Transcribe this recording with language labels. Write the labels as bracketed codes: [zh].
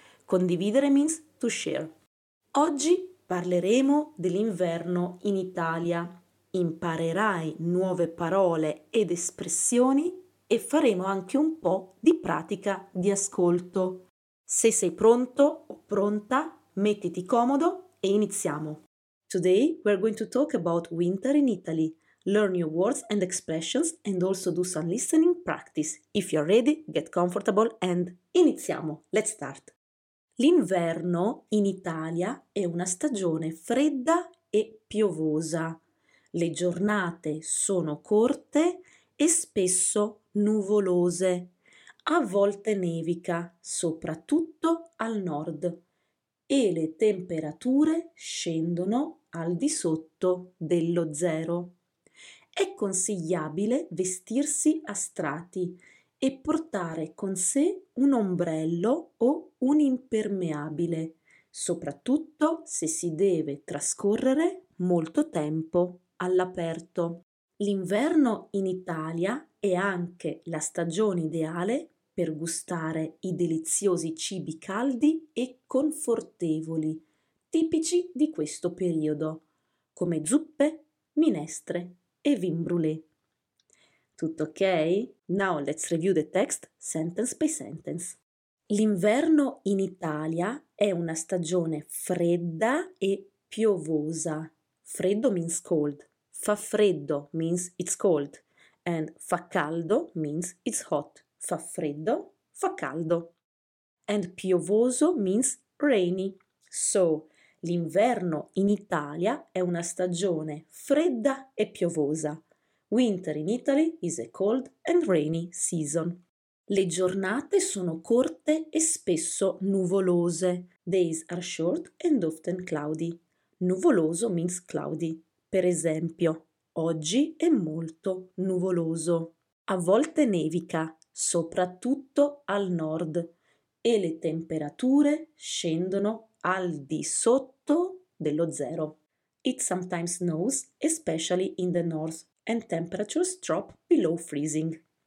[it] Condividere [en] means to share. [it] Oggi parleremo dell'inverno in Italia. Imparerai nuove parole ed espressioni e faremo anche un po' di pratica di ascolto. Se sei pronto o pronta, mettiti comodo e iniziamo. [en] Today we're going to talk about winter in Italy. Learn new words and expressions and also do some listening practice. If you're ready, get comfortable and iniziamo. Let's start. [it] L'inverno in Italia è una stagione fredda e piovosa. Le giornate sono corte e spesso nuvolose. A volte nevica, soprattutto al nord. E le temperature scendono al di sotto dello zero. È consigliabile vestirsi a strati e portare con sé un ombrello o un impermeabile, soprattutto se si deve trascorrere molto tempo all'aperto. L'inverno in Italia è anche la stagione ideale per gustare i deliziosi cibi caldi e confortevoli, tipici di questo periodo, come zuppe, minestre e vin brûlé. Tutto ok? [en] Now let's review the text sentence by sentence. [it] L'inverno in Italia è una stagione fredda e piovosa. [en] Freddo means cold. Fa freddo means it's cold. And fa caldo means it's hot. Fa freddo, fa caldo. And piovoso means rainy. [it] So, l'inverno in Italia è una stagione fredda e piovosa. [en] Winter in Italy is a cold and rainy season. [it] Le giornate sono corte e spesso nuvolose. [en] Days are short and often cloudy. Nuvoloso means cloudy. [it] Per esempio, oggi è molto nuvoloso. A volte nevica, soprattutto al nord, e le temperature scendono al di sotto dello zero. [en] It sometimes snows, especially in the north, and temperatures drop below freezing.